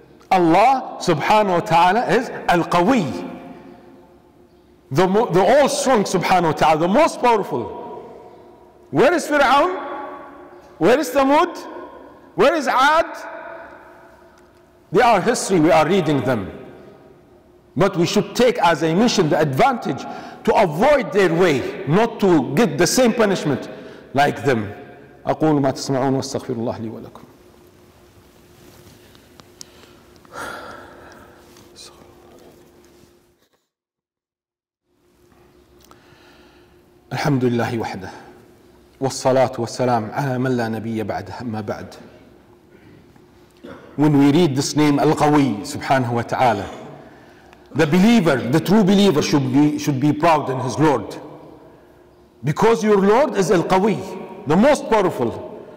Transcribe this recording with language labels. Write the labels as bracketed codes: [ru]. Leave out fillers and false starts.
[en] Allah subhanahu wa ta'ala is al-qawi, the all-strong subhanahu wa ta'ala, the most powerful. Where is Fir'aun? Where is Thamud? Where is Ad? They are history, we are reading them. But we should take, as I mentioned, the advantage to avoid their way, not to get the same punishment like them. [ar] أقول ما تسمعون واستغفر الله لي ولكم. الحمد لله وحده والصلاة والسلام على من لا نبي بعده ما بعد. [en] When we read this name, Al-Qawi, subhanahu wa ta'ala, the believer, the true believer should be proud in his Lord. Because your Lord is Al-Qawi, the most powerful.